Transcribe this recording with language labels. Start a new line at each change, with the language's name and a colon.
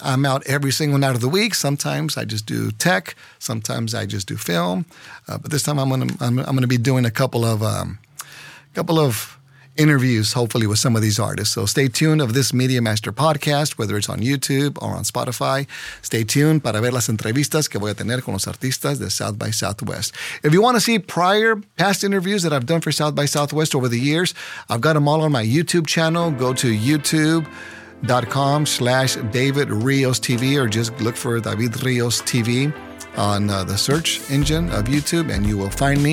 English: I'm out every single night of the week. Sometimes I just do tech. Sometimes I just do film. But this time I'm going to be doing a couple of interviews, hopefully, with some of these artists. So stay tuned of this Media Master podcast, whether it's on YouTube or on Spotify. Stay tuned
Spanish: para ver las entrevistas que voy a tener con los artistas de South by Southwest.
English: If you want to see prior past interviews that I've done for South by Southwest over the years, I've got them all on my YouTube channel. Go to youtube.com/DavidRiosTV or just look for David Rios TV on the search engine of YouTube and you will find me.